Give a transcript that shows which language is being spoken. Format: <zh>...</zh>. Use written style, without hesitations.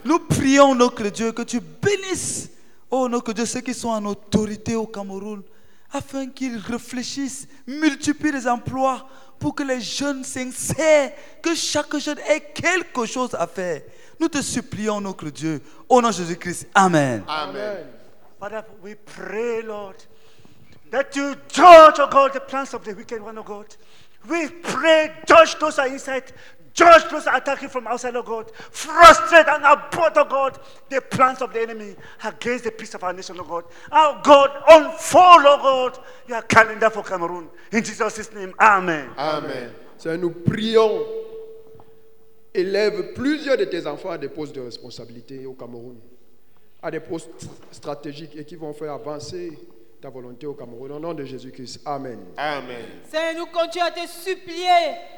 <fr>Nous prions, notre Dieu, que tu bénisses, oh notre Dieu, ceux qui sont en autorité au Cameroun, afin qu'ils réfléchissent, multiplient les emplois, pour que les jeunes s'insèrent, que chaque jeune ait quelque chose à faire. Nous te supplions, notre Dieu, au nom de Jésus-Christ. Amen. Amen.</fr> <en>Father, we pray, Lord, that you judge, oh God, the plans of the wicked one, oh God. We pray, judge those who are inside, judge those who are attacking from outside, oh God. Frustrate and abort, oh God, the plans of the enemy against the peace of our nation, oh God. Oh God, unfold, oh God, your calendar for Cameroon. In Jesus' name, amen. Amen.</en> <fr>Seigneur, nous prions. Élève plusieurs de tes enfants à des postes de responsabilité au Cameroun, à des postes stratégiques et qui vont faire avancer ta volonté au Cameroun. Au nom de Jésus-Christ, amen. Amen. Seigneur, nous continuons à te supplier.</fr>